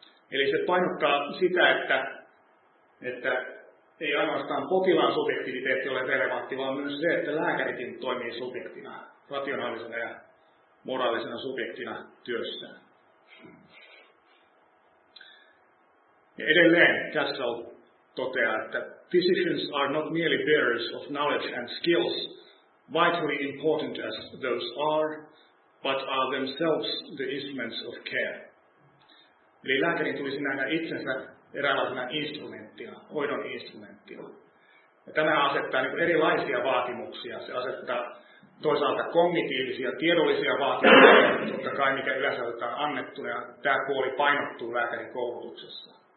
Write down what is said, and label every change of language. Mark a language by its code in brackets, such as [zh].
[fi] Eli se painottaa sitä, että ei ainoastaan potilaan subjektiviteetti ole relevantti, vaan myös se, että lääkärikin toimii subjektina, rationaalisena ja moraalisena subjektina työssään. Ja edelleen Castle toteaa, että [en] physicians are not merely bearers of knowledge and skills, vitally important as those are, but are themselves the instruments of care. [fi] Eli lääkärin tulisi nähdä itsensä eräänlaisena instrumenttina, hoidon instrumenttina. Ja tämä asettaa niin kuin erilaisia vaatimuksia. Se asettaa toisaalta kognitiivisia, tiedollisia vaatimuksia, jotka kai mikä yleensä otetaan annettu, ja tämä puoli painottuu lääkärin koulutuksessa.